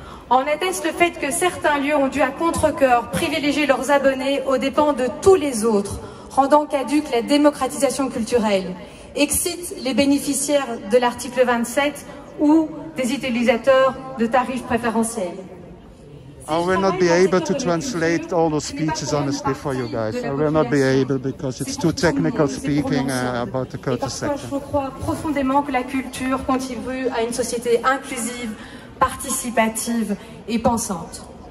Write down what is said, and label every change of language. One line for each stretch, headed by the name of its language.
French: En atteste le fait que certains lieux ont dû à contre-cœur privilégier leurs abonnés aux dépens de tous les autres, rendant caduque la démocratisation culturelle. Excite les bénéficiaires de l'article 27 ou des utilisateurs de tarifs préférentiels.
English: I will not be able to translate all those speeches, honestly, for you guys. I will not be able because it's too technical speaking about the culture sector.
French: Je crois profondément que la culture contribue à une société inclusive, participative et pensante.